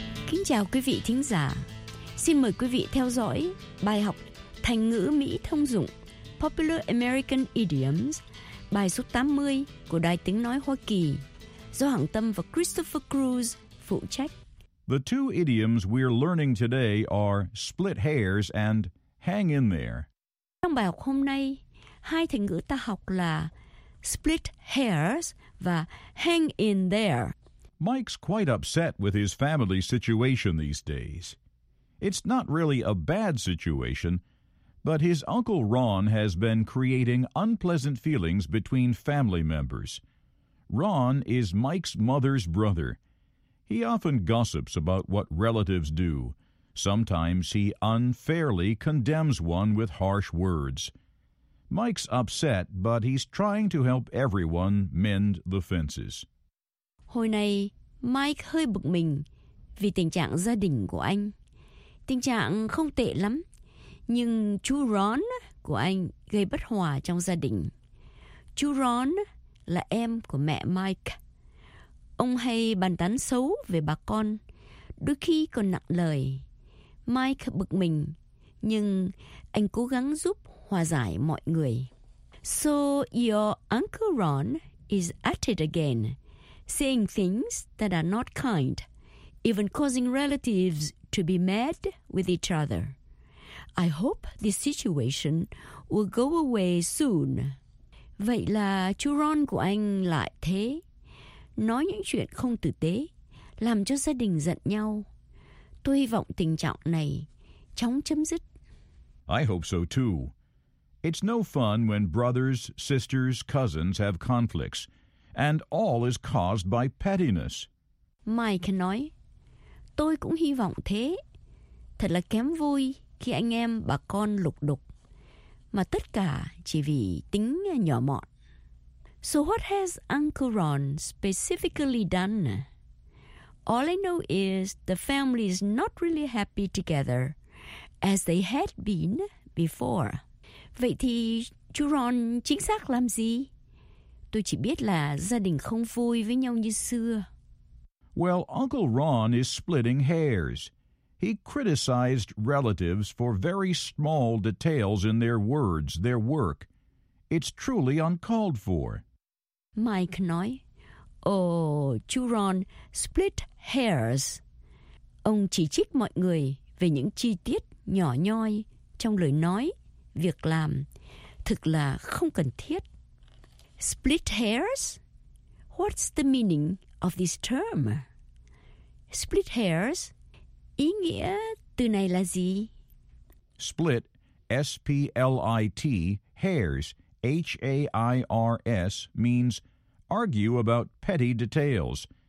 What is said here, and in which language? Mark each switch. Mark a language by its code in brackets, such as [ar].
[vi] Kính chào quý vị thính giả. Xin mời quý vị theo dõi bài học thành ngữ Mỹ thông dụng Popular American Idioms, bài số 80 của Đài Tiếng Nói Hoa Kỳ, do Hằng Tâm và Christopher Cruz phụ trách. [en] The two idioms we're learning today are split hairs and hang in there. [vi] Trong bài học hôm nay, hai thành ngữ ta học là split hairs và hang in there. [en] Mike's quite upset with his family situation these days. It's not really a bad situation, but his uncle Ron has been creating unpleasant feelings between family members. Ron is Mike's mother's brother. He often gossips about what relatives do. Sometimes he unfairly condemns one with harsh words. Mike's upset, but he's trying to help everyone mend the fences. [vi] Hồi này, Mike hơi bực mình vì tình trạng gia đình của anh. Tình trạng không tệ lắm, nhưng chú Ron của anh gây bất hòa trong gia đình. Chú Ron là em của mẹ Mike. Ông hay bàn tán xấu về bà con, đôi khi còn nặng lời. Mike bực mình, nhưng anh cố gắng giúp hòa giải mọi người. [en] So your Uncle Ron is at it again, saying things that are not kind, even causing relatives to be mad with each other. I hope this situation will go away soon. [vi] Vậy là chú Ron của anh lại thế. Nói những chuyện không tử tế, làm cho gia đình giận nhau. Tôi hy vọng tình trạng này chóng chấm dứt. [en] I hope so too. It's no fun when brothers, sisters, cousins have conflicts, and all is caused by pettiness. [vi] Mike nói, tôi cũng hy vọng thế. Thật là kém vui khi anh em bà con lục đục, mà tất cả chỉ vì tính nhỏ mọn. [en] So what has Uncle Ron specifically done? All I know is the family is not really happy together as they had been before. [vi] Vậy thì chú Ron chính xác làm gì? Tôi chỉ biết là gia đình không vui với nhau như xưa. [en] Well, Uncle Ron is splitting hairs. He criticized relatives for very small details in their words, their work. It's truly uncalled for. [vi] Mike nói, chú Ron split hairs. Ông chỉ trích mọi người về những chi tiết nhỏ nhoi trong lời nói, việc làm. Thực là không cần thiết. Split hairs? [en] What's the meaning of this term? [vi] Split hairs? Ý nghĩa từ này là gì? [en] Split, S-P-L-I-T, hairs, H-A-I-R-S, means argue about petty details.